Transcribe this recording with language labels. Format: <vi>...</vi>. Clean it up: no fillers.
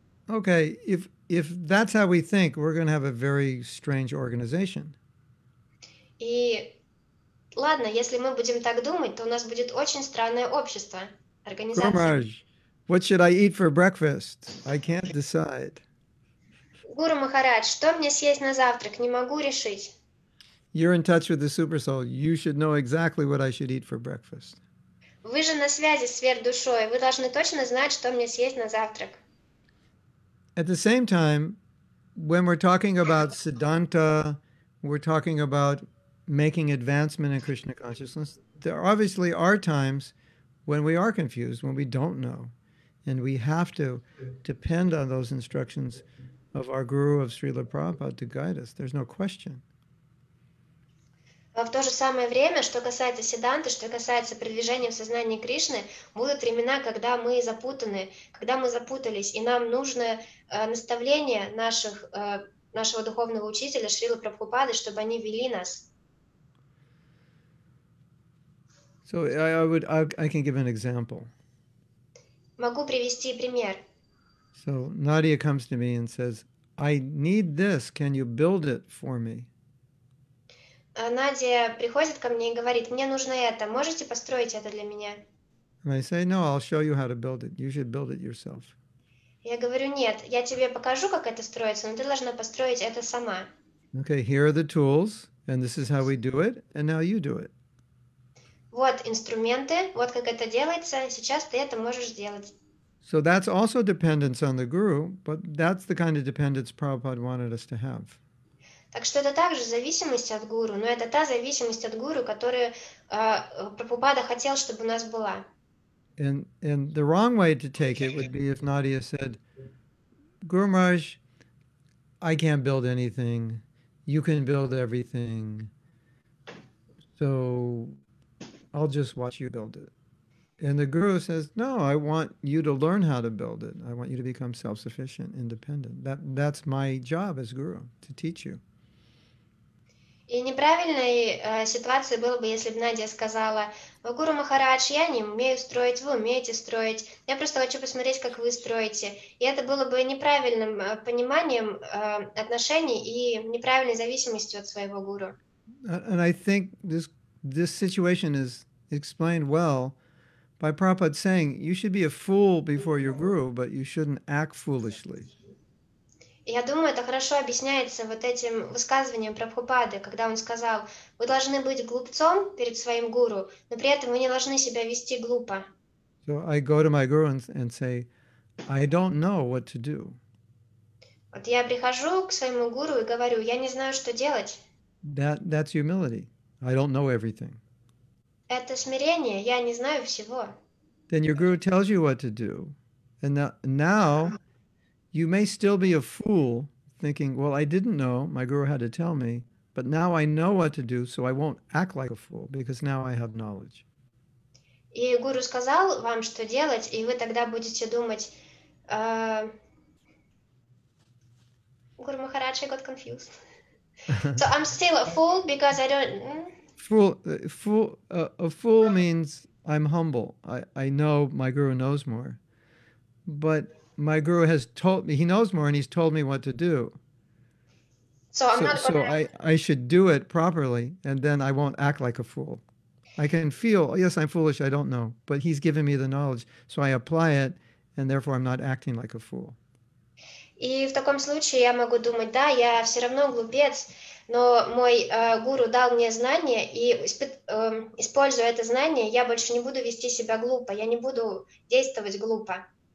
<en>Okay, if that's how we think, we're going to have a very strange organization.</en> <ru>И ладно, если мы будем так думать, то у нас будет очень странное общество, организация.</ru> <en>Guru Maharaj, what should I eat for breakfast? I can't decide.</en> <ru>Гуру Махарадж, что мне съесть на завтрак? Не могу решить.</ru> <en>You're in touch with the super soul. You should know exactly what I should eat for breakfast.</en> <ru>Вы же на связи с сверхдушой. Вы должны точно знать, что мне съесть на завтрак.</ru> <en>At the same time, when we're talking about Siddhanta, we're talking about making advancement in Krishna consciousness, there obviously are times when we are confused, when we don't know, and we have to depend on those instructions of our guru of Srila Prabhupada to guide us. There's no question.</en> <ru>В то же самое время, что касается седанты, что касается продвижения в сознании Кришны, будут времена, когда мы запутаны, когда мы запутались, и нам нужно наставление наших нашего духовного учителя Шрилы Прабхупады, чтобы они вели нас.</ru> <en>So I can give an example.</en> <ru>Могу привести пример.</ru> <en>So Nadia comes to me and says, I need this, can you build it for me?</en> <ru>Nadia приходит ко мне и говорит, мне нужно это, можете построить это для меня?</ru> <en>And I say, no, I'll show you how to build it. You should build it yourself.</en> <ru>Я говорю, нет, я тебе покажу, как это строится, но ты должна построить это сама.</ru> <en>Okay, here are the tools, and this is how we do it, and now you do it.</en> <ru>Вот инструменты, вот как это делается, сейчас ты это можешь сделать.</ru> <en>So that's also dependence on the guru, but that's the kind of dependence Prabhupada wanted us to have.</en> <ru>Так что это также зависимость от гуру, но это та зависимость от гуру, которую Прабхупада хотел, чтобы у нас была.</ru> <en>And the wrong way to take it would be if Nadia said, Guru Maharaj, I can't build anything, you can build everything, so I'll just watch you build it. And the guru says, no, I want you to learn how to build it. I want you to become self-sufficient, independent. That's my job as guru, to teach you.</en> <ru>И неправильной ситуацией было бы, если бы Надя сказала: «Гуру Махарадж, я не умею строить, вы умеете строить, я просто хочу посмотреть, как вы строите». И это было бы неправильным пониманием отношений и неправильной зависимостью от своего гуру.</ru> <en>And I think this situation is explained well by Prabhupada saying you should be a fool before your guru, but you shouldn't act foolishly.</en> <ru>Я думаю, это хорошо объясняется вот этим высказыванием Прабхупады, когда он сказал: вы должны быть глупцом перед своим гуру, но при этом вы не должны себя вести глупо.</ru> <en>So I go to my guru and say, I don't know what to do.</en> <ru>Вот я прихожу к своему гуру и говорю: я не знаю, что делать.</ru> <en>That's humility. I don't know everything.</en> <ru>Это смирение, я не знаю всего.</ru> <en>Then your guru tells you what to do. And now you may still be a fool thinking, well, I didn't know, my guru had to tell me, but now I know what to do, so I won't act like a fool because now I have knowledge.</en> <ru>И гуру сказал вам, что делать, и вы тогда будете думать, Гуру Махарадж,</ru> <en>I got confused. So I'm still a fool because I don't... A fool means I'm humble. I know my guru knows more. But my guru has told me, he knows more and he's told me what to do. So I should do it properly and then I won't act like a fool. I can feel, oh, yes, I'm foolish, I don't know. But he's given me the knowledge, so I apply it and therefore I'm not acting like a fool.</en> <ru>И в таком случае я могу думать, да, я все равно глупец, но мой гуру дал мне знание, и используя это знание, я больше не буду вести себя глупо, я не буду действовать глупо.</ru>